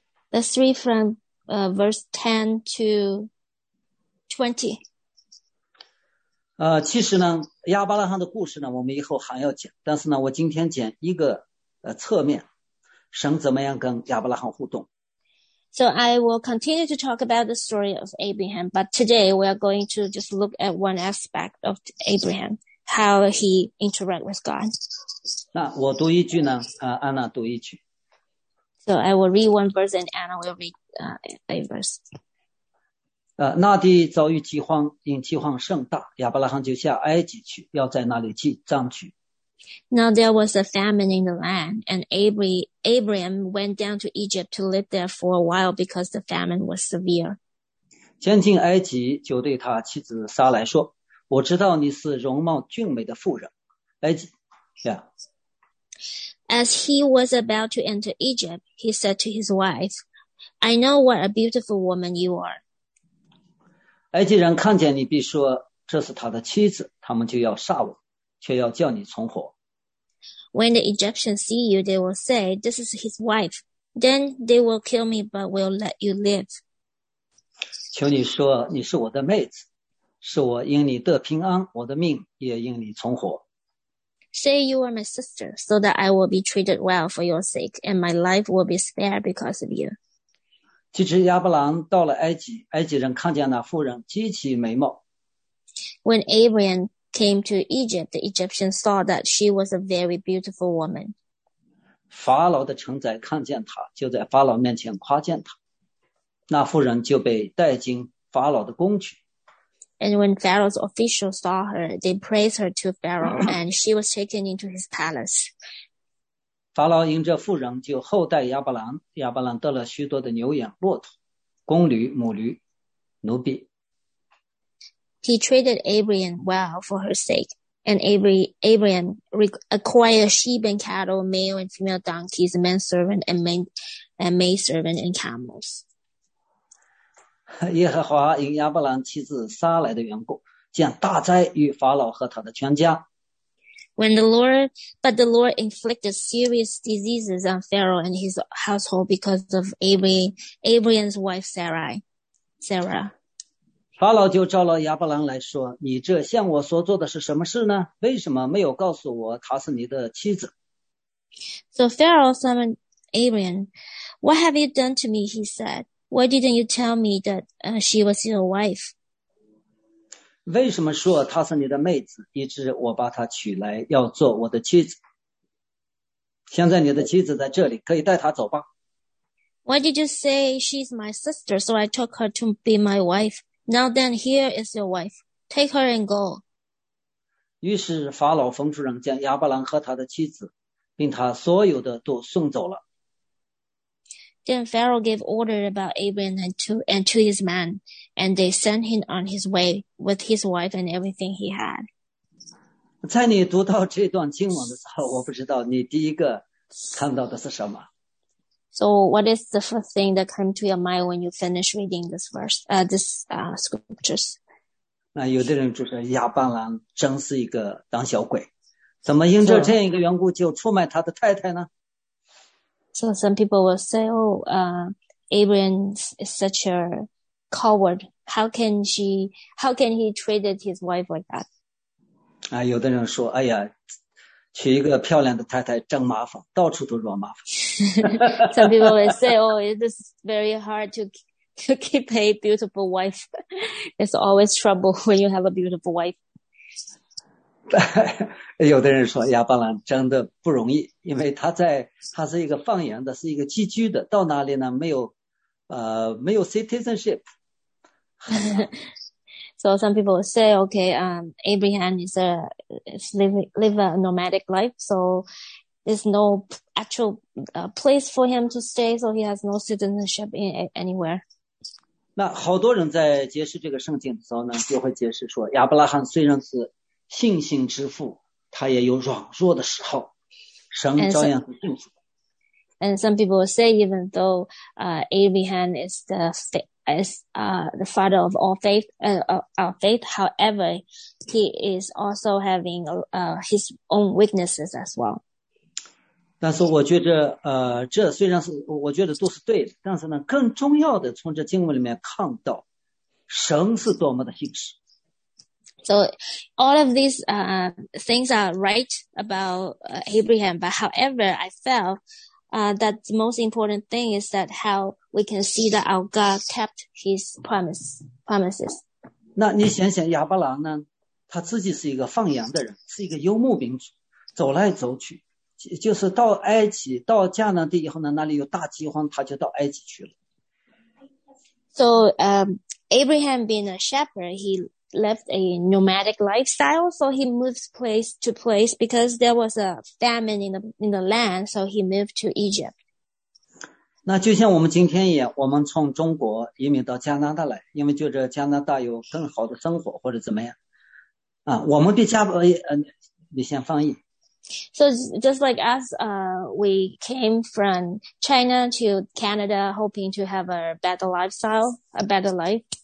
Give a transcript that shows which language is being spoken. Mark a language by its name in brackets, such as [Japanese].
[English] Let's read from verse 10 to 20. [Chinese] 其实呢，亚伯拉罕的故事呢，我们以后还要讲。但是呢，我今天讲一个侧面，神怎么样跟亚伯拉罕互动。 [English] So I will continue to talk about the story of Abraham, but today we are going to just look at one aspect of Abraham. How he interact with God. [Chinese] 那我读一句呢？安娜读一句。 [English] So I will read one verse, and Anna will read a verse. [Chinese] 那地遭遇饥荒，因饥荒甚大，亚伯拉罕就下埃及去，要在那里寄帐去。 [English] Now there was a famine in the land, and Abraham went down to Egypt to live there for a while because the famine was severe. [Chinese] 前进埃及，就对他妻子撒来说。我知道你是容貌俊美的妇人，埃及 ，Yeah. [English] As he was about to enter Egypt, he said to his wife, "I know what a beautiful woman you are." [Chinese] 埃及人看见你必说这是他的妻子，他们就要杀我，却要叫你存活。 [English] When the Egyptians see you, they will say, this is his wife. Then they will kill me, but will let you live. [Chinese] 求你说你是我的妹子，是我因你得平安，我的命也因你存活。 [English] Say you are my sister, so that I will be treated well for your sake, and my life will be spared because of you. [Chinese] 即使亚伯兰到了埃及，埃及人看见那妇人极其美貌。 [English] When Abraham came to Egypt, the Egyptians saw that she was a very beautiful woman. [Chinese] 法老的臣宰看见她，就在法老面前夸奖她。那妇人就被带进法老的宫去。 [English] And when Pharaoh's officials saw her, they praised her to Pharaoh, and she was taken into his palace. [Chinese] 法老因这妇人就厚待亚伯兰，亚伯兰得了许多的牛羊、骆驼、公驴、母驴、奴婢。 [English] He treated Abraham well for her sake, and Abraham acquired sheep and cattle, male and female donkeys, manservant and maidservant and camels. [Chinese] 耶和华因亚伯兰妻子撒来的缘故，降大灾于法老和他的全家。 [English] But the Lord inflicted serious diseases on Pharaoh and his household because of Abraham's wife Sarah. [Chinese] 法老就召了亚伯兰来说，你这向我所做的是什么事呢？为什么没有告诉我她是你的妻子？ [English] So Pharaoh summoned Abraham. What have you done to me? He said. Why didn't you tell me that she was your wife? [Chinese] 为什么说她是你的妹子，以致我把她娶来要做我的妻子？现在你的妻子在这里，可以带她走吧。 [English] Why did you say she's my sister? So I took her to be my wife. Now then, here is your wife. Take her and go. [Chinese] 于是法老吩咐人将亚伯兰和他的妻子，并他所有的都送走了。 [English] Then Pharaoh gave order about Abraham and to his men, and they sent him on his way with his wife and everything he had. [Chinese] 在你读到这段经文的时候，我不知道你第一个看到的是什么。 [English] So what is the first thing that came to your mind when you finished reading this verse, scriptures? [Chinese] 那有的人就说亚伯兰真是一个胆小鬼，怎么因着这样一个缘故就出卖他的太太呢？ [English] So some people will say, Abraham is such a coward. How can he treat his wife like that? [Chinese] 啊，有的人说，哎呀，娶一个漂亮的太太真麻烦，到处都惹麻烦。 [English] Some people will say, it is very hard to keep a beautiful wife. It's always trouble when you have a beautiful wife. [Chinese] 有的人说亚伯兰真的不容易，因为他是一个放羊的，是一个寄居的，到哪里呢？没有 citizenship. [English] So some people say, okay, Abraham is living a nomadic life, so there's no actual place for him to stay, so he has no citizenship in anywhere. [Chinese] 那好多人在解释这个圣经的时候呢，就会解释说亚伯拉罕虽然是信心之父，他也有软弱的时候，神照样是信服。 [English] And some people say, even though Abraham is the father of all faith, our faith, however, he is also having his own weaknesses as well. [Chinese] 但是我觉得，这虽然是我觉得都是对的，但是呢，更重要的从这经文里面看到，神是多么的信实。 [English] So all of these things are right about Abraham, but however, I felt that the most important thing is that how we can see that our God kept his promises. [Chinese] 那你想想亚伯兰呢，他自己是一个放羊的人，是一个游牧民族，走来走去，就是到埃及，到迦南地以后呢，那里有大饥荒，他就到埃及去了。 [English] So Abraham being a shepherd, he left a nomadic lifestyle, so he moves place to place because there was a famine in the land, so he moved to Egypt. [Chinese] 那就像我们今天一样，我们从中国移民到加拿大来，因为觉得加拿大有更好的生活或者怎么样。啊，我们比加伯，你先翻译。 [English] So just like us, we came from China to Canada hoping to have a better lifestyle, a better life.